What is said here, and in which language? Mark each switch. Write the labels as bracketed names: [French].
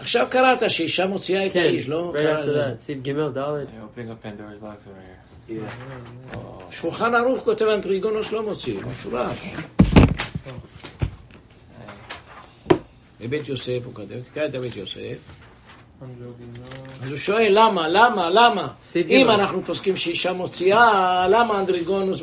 [Hebrew] עכשיו קראת שאישה מוציאה את האיש, לא? [English] Right after that, [Hebrew] סעיף גימל, דלת. [English] I'm opening up Pandora's box over here. [Hebrew] שולחן ערוך כותב אנדריגונוס לא מוציא. מפורש. בבית יוסף הוא כותב, תקרא את הבית יוסף. אז הוא שואל למה, למה, למה? אם אנחנו פוסקים שאישה מוציאה, למה אנדריגונוס